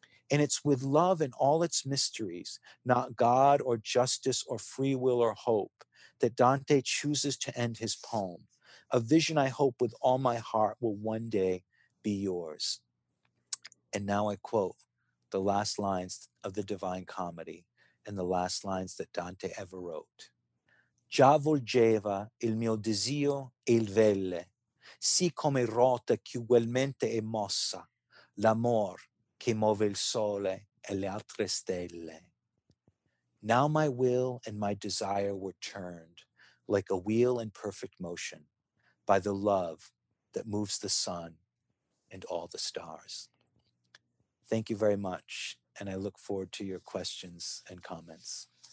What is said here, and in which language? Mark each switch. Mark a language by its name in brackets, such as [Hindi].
[English] And it's with love and all its mysteries, not God or justice or free will or hope, that Dante chooses to end his poem, a vision I hope with all my heart will one day be yours." And now I quote the last lines of the Divine Comedy and the last lines that Dante ever wrote. [Italian] "Già volgeva il mio desio e il velle, sì come ruota che ugualmente è mossa, l'amor che muove il sole e le altre stelle." [English] Now my will and my desire were turned like a wheel in perfect motion by the love that moves the sun and all the stars. Thank you very much. And I look forward to your questions and comments.